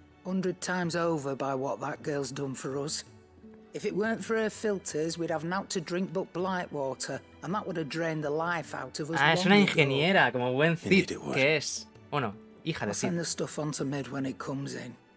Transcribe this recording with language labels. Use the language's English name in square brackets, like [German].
[English] 100 times over by what that girl's done for us. If it weren't for her filters, we'd have nought to drink but blight water, and that would have drained the life out of us. [Spanish] Ah, es una ingeniera, como buen Cid, ¿qué es? Bueno. Hija de [English] send the stuff on to Mid when it comes in.